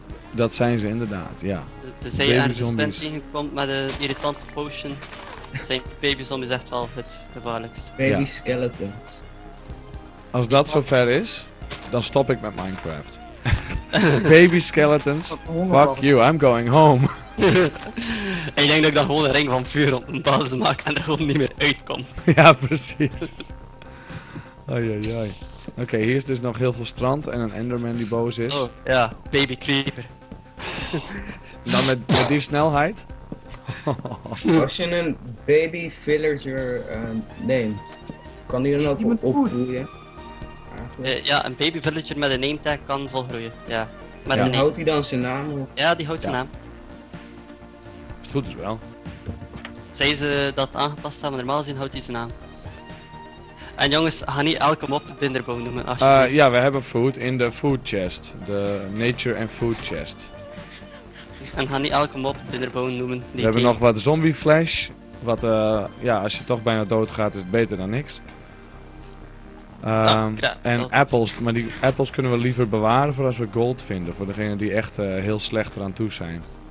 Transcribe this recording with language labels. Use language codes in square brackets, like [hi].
[nl] Dat zijn ze inderdaad, ja. De zee aan de spent komt met de irritante potion. Zijn baby zombies echt wel het gevaarlijkste. Baby skeletons. Als dat zover is, dan stop ik met Minecraft. [en] Baby skeletons, fuck you, I'm going home. [nl] En ik denk dat ik dan gewoon een ring van vuur op een basis maak en er gewoon niet meer uitkom. Ja, precies. Ai, ai, ai. Oké, hier is dus nog heel veel strand en een Enderman die boos is. Oh, ja, baby creeper. Dan met die snelheid. Als je een baby villager neemt, kan die dan ook opgroeien? Ja, een baby villager met een name tag kan volgroeien, ja. Met en houdt hij dan zijn naam? Of? Ja, die houdt zijn naam. Als het goed is wel. Zij ze dat aangepast hebben, normaal gezien houdt hij zijn naam. En jongens, ga niet elke mop Dinderboom noemen. Ja, we hebben food in de food chest. De nature and food chest. En ga niet elke mop Dinderboom noemen. We hebben nog wat zombie flesh. Wat, als je toch bijna doodgaat, is het beter dan niks. En apples. Maar die apples kunnen we liever bewaren voor als we gold vinden. Voor degenen die echt heel slecht eraan toe zijn.